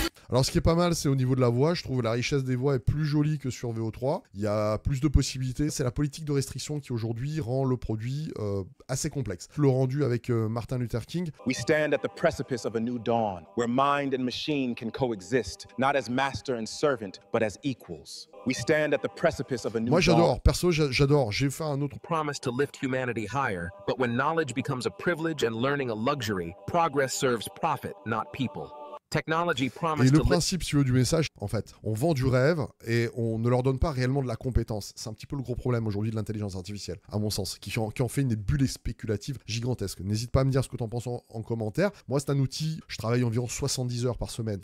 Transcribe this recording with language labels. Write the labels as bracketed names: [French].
[French] Alors ce qui est pas mal, c'est au niveau de la voix. Je trouve que la richesse des voix est plus jolie que sur VO3. Il y a plus de possibilités. C'est la politique de restriction qui aujourd'hui rend le produit assez complexe. Le rendu avec Martin Luther King. [English] We stand at the precipice of a new dawn, where mind and machine can coexist, not as master and servant, but as equals. We stand at the precipice of a new. [French] Moi j'adore, perso j'adore, j'ai fait un autre. [English] Promise to lift humanity higher, but when knowledge becomes a privilege and learning a luxury, progress serves profit, not people. Technology promise. [French] Et le principe, si tu veux, du message, en fait, on vend du rêve et on ne leur donne pas réellement de la compétence. C'est un petit peu le gros problème aujourd'hui de l'intelligence artificielle, à mon sens, qui en fait une bulle spéculative gigantesque. N'hésite pas à me dire ce que tu en penses en commentaire. Moi, c'est un outil, je travaille environ 70 heures par semaine.